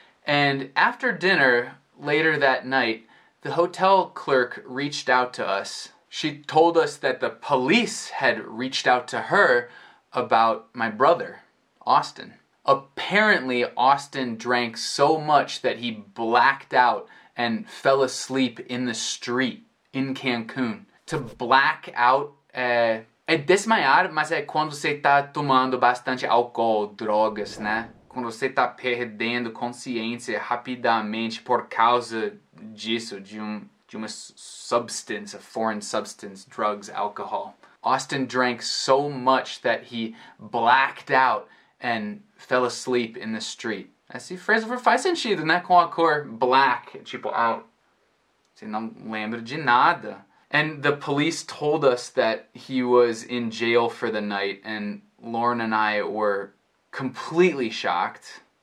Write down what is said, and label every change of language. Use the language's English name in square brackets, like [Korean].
[English] And after dinner, later that night, the hotel clerk reached out to us. She told us that the police had reached out to her about my brother, Austin. Apparently, Austin drank so much that he blacked out and fell asleep in the street in Cancun. To black out, [Portuguese] é desmaiar, mas é quando você tá tomando bastante álcool, drogas, né? Quando você tá perdendo consciência rapidamente por causa disso, de uma [English] substance, a foreign substance, drugs, alcohol. Austin drank so much that he blacked out and fell asleep in the street. [Portuguese] Essa frase faz sentido, né? Com a cor black, tipo, out. Você não lembra de nada. [English] And the police told us that he was in jail for the night, and Lauren and I were completely shocked.